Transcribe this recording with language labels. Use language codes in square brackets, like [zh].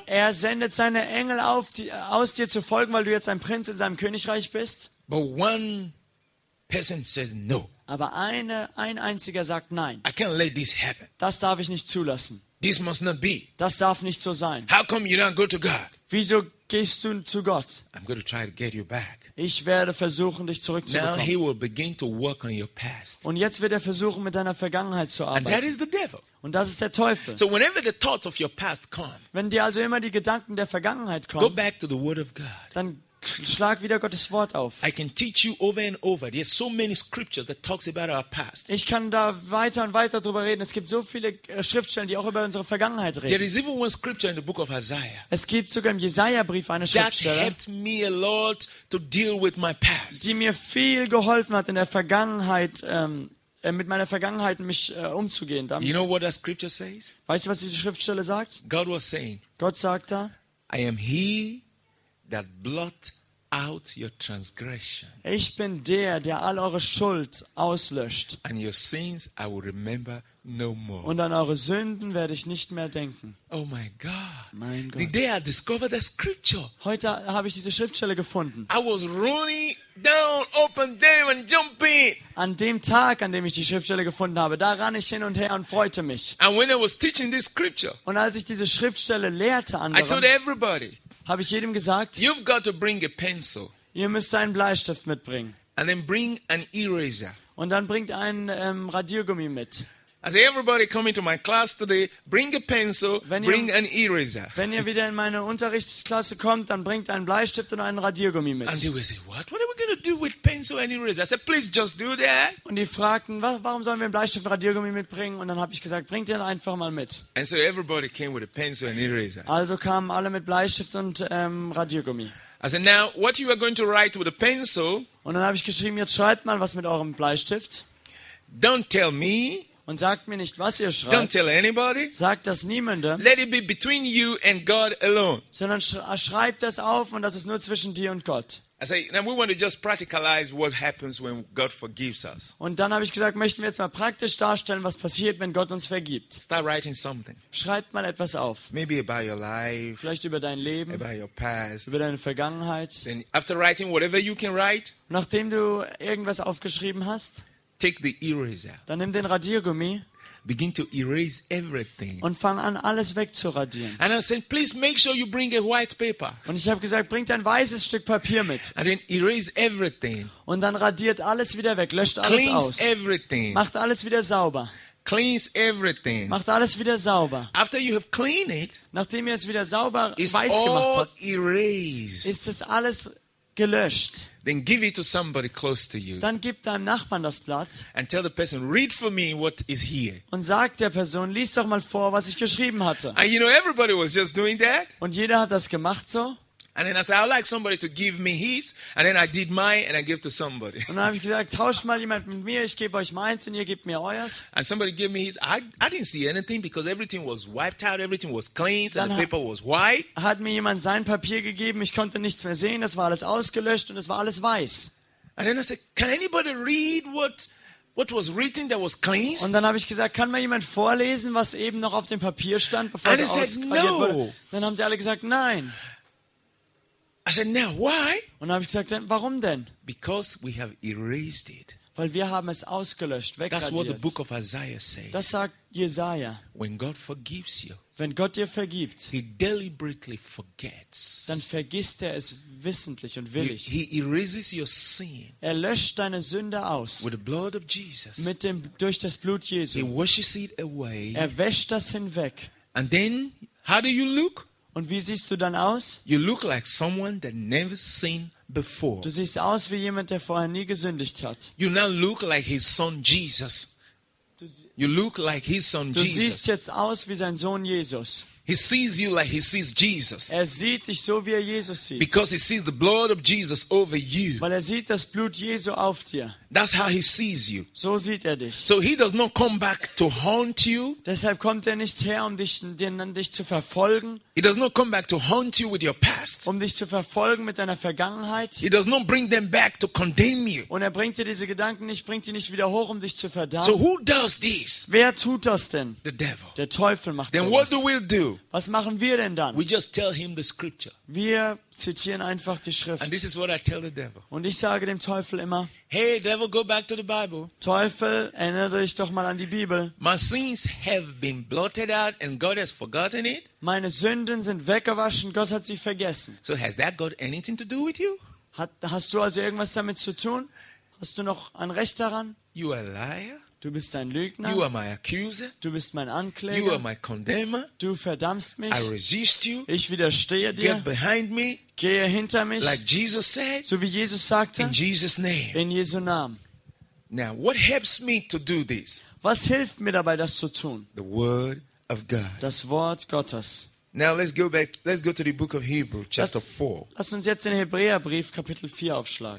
[de] Er sendet seine Engel aus dir zu folgen, weil du jetzt ein Prinz in seinem Königreich bist. [en] But one person says no. [de] Aber ein einziger sagt nein. [en] I can't let this happen. [de] Das darf ich nicht zulassen. [en] This must not be. [de] Das darf nicht so sein. [en] How come you don't go to God? [de] Wieso gehst du zu Gott? [en] I'm going to try to get you back. [de] Ich werde versuchen, dich zurückzubekommen. [en] Now he will begin to work on your past. [de] Und jetzt wird er versuchen, mit deiner Vergangenheit zu arbeiten. [en] And that is the devil. [de] Und das ist der Teufel. [en] So whenever the thoughts of your past come, [de] wenn dir also immer die Gedanken der Vergangenheit kommen, [en] go back to the Word of God. [de] Dann schlag wieder Gottes Wort auf. [en] I can teach you over and over. There's so many scriptures that talks about our past. [de] Ich kann da weiter und weiter drüber reden. Es gibt so viele Schriftstellen, die auch über unsere Vergangenheit reden. [en] There is even one scripture in the book of Isaiah. [de] Es gibt sogar im Jesaja-Brief eine Schriftstelle. [en] That helped me a lot to deal with my past. [de] Die mir viel geholfen hat in der Vergangenheit, mit meiner Vergangenheit mich umzugehen. Damit. [en] You know what that scripture says? [de] Weißt du, was diese Schriftstelle sagt? [en] God was saying. [de] Gott sagt da. [en] I am He that blot out your transgression. [de] Ich bin der, der all eure Schuld auslöscht. [en] And your sins I will remember no more. [de] Und an eure Sünden werde ich nicht mehr denken. [en] Oh my God. [de] Mein Gott. [en] The day I discovered the scripture. [de] Heute habe ich diese Schriftstelle gefunden. [en] I was running down open there and jumping. [de] An dem Tag, an dem ich die Schriftstelle gefunden habe, da ran ich hin und her und freute mich. [en] And when I was teaching this scripture. [de] Und als ich diese Schriftstelle lehrte anderen, [en] I told everybody. [de] Habe ich jedem gesagt, [en] you've got to bring a pencil. [de] Ihr müsst einen Bleistift mitbringen. [en] And then bring an eraser. [de] Und dann bringt ein Radiergummi mit. [en] I say, everybody coming to my class today, bring a pencil, bring an eraser. [de] Wenn ihr wieder in meine Unterrichtsklasse kommt, dann bringt einen Bleistift und einen Radiergummi mit. [en] And they would say, what? What are we going to do with pencil and eraser? I said, please just do that. [de] Und die fragten, warum sollen wir einen Bleistift und Radiergummi mitbringen? Und dann habe ich gesagt, bringt den einfach mal mit. [en] And so everybody came with a pencil and eraser. [de] Also kamen alle mit Bleistift und Radiergummi. [en] I said, now, what you are going to write with a pencil? [de] Und dann habe ich geschrieben, jetzt schreibt mal was mit eurem Bleistift. [en] Don't tell me. [de] Und sagt mir nicht, was ihr schreibt. [en] Don't tell anybody. [de] Sagt das niemandem. [en] Let it be between you and God alone. [de] Sondern schreibt das auf und das ist nur zwischen dir und Gott. [en] I say, now we want to just practicalize what happens when God forgives us. [de] Und dann habe ich gesagt, möchten wir jetzt mal praktisch darstellen, was passiert, wenn Gott uns vergibt. [en] Start writing something. [de] Schreibt mal etwas auf. [en] Maybe about your life. [de] Vielleicht über dein Leben. [en] About your past. [de] Über deine Vergangenheit. [en] Then after writing whatever you can write. [de] Nachdem du irgendwas aufgeschrieben hast. [en] Take the eraser. [de] Dann nimm den Radiergummi. [en] Begin to erase everything. [de] Und fang an, alles wegzuradieren. [en] And I said, please make sure you bring a white paper. [de] Und ich habe gesagt, bringt ein weißes Stück Papier mit. [en] And then erase everything. [de] Und dann radiert alles wieder weg, löscht alles [en] cleanse [de] aus. [en] Everything. [de] Macht alles wieder sauber. [en] Cleanse everything. [de] Macht alles wieder sauber. [en] After you have cleaned it, [de] nachdem ihr es wieder sauber weiß [en] all [de] gemacht habt, [en] erased. [de] Ist es alles gelöscht. [en] Then give it to somebody close to you. [de] Dann gib deinem Nachbarn das Blatt. [en] And tell the person, read for me what is here. [de] Und sag der Person, lies doch mal vor, was ich geschrieben hatte. [en] And you know everybody was just doing that. [de] Und jeder hat das gemacht so. [en] And then I said, I'd like somebody to give me his. And then I did mine and I gave to somebody. [de] Und dann habe ich gesagt, tausch mal jemand mit mir. Ich gebe euch meins und ihr gebt mir euers. [en] And somebody gave me his. I didn't see anything because everything was wiped out. Everything was cleansed and the paper was white. [de] Hat mir jemand sein Papier gegeben. Ich konnte nichts mehr sehen. Das war alles ausgelöscht und es war alles weiß. [en] And then I said, can anybody read what was written that was cleansed? [de] Und dann habe ich gesagt, kann mir jemand vorlesen, was eben noch auf dem Papier stand, bevor [en] and [de] es ausgeradiert [en] said, no. [de] Wurde? Dann haben sie alle gesagt, nein. [en] I said, now why? [de] Und dann habe ich gesagt, warum denn? [en] Because we have erased it. [de] Weil wir haben es ausgelöscht, wegradiert. [en] That's what the book of Isaiah says. [de] Das sagt Jesaja. [en] When God forgives you, [de] wenn Gott dir vergibt, [en] he deliberately forgets. [de] Dann vergisst er es wissentlich und willig. [en] He erases your sin. [de] Er löscht deine Sünde aus. [en] With the blood of Jesus. [de] Durch das Blut Jesu. [en] He washes it away. [de] Er wäscht das hinweg. [en] And then, how do you look? [de] Und wie siehst du dann aus? [en] You look like someone that never sinned before. [de] Du siehst aus wie jemand, der vorher nie gesündigt hat. [en] You now look like his son Jesus. You look like his son [de] du [en] Jesus. [de] Du siehst jetzt aus wie sein Sohn Jesus. [en] He sees you like he sees Jesus. [de] Er sieht dich so wie er Jesus sieht. [en] Because he sees the blood of Jesus over you. [de] Weil er sieht das Blut Jesu auf dir. [en] That's how he sees you. [de] So sieht er dich. [en] So he does not come back to haunt you. [de] Deshalb kommt er nicht her, um dich zu verfolgen. [en] He does not come back to haunt you with your past. [de] Um dich zu verfolgen mit deiner Vergangenheit. [en] He does not bring them back to condemn you. [de] Und er bringt dir diese Gedanken nicht, bringt die nicht wieder hoch, um dich zu verdammen. [en] So who does this? [de] Wer tut das denn? [en] The devil. [de] Der Teufel macht [en] then [de] sowas. [en] Then what do we do? [de] Was machen wir denn dann? [en] We just tell him the scripture. [de] Wir zitieren einfach die Schrift. [en] And this is what I tell the devil. [de] Und ich sage dem Teufel immer: [en] Hey devil, go back to the Bible. [de] Teufel, erinnere dich doch mal an die Bibel. [en] My sins have been blotted out and God has forgotten it. [de] Meine Sünden sind weggewaschen, Gott hat sie vergessen. [en] So has that got anything to do with you? [de] Hast du also irgendwas damit zu tun? Hast du noch ein Recht daran? [en] You are a liar. [de] Du bist ein Lügner. [en] You are my accuser. [de] Du bist mein Ankläger. [en] You are my condemner. [de] Du verdammst mich. [en] I resist you. [de] Ich widerstehe dir. [en] Get behind me. [de] Gehe hinter mich. [en] Like Jesus said. [de] So wie Jesus sagte. [en] In Jesus' name. [de] In Jesu Namen. [en] Now, what helps me to do this? [de] Was hilft mir dabei, das zu tun? [en] The Word of God. [de] Das Wort Gottes. [en] Now let's go back. Let's go to the book of Hebrews, chapter 4. [de] Lass uns jetzt den Hebräerbrief Kapitel 4 aufschlagen.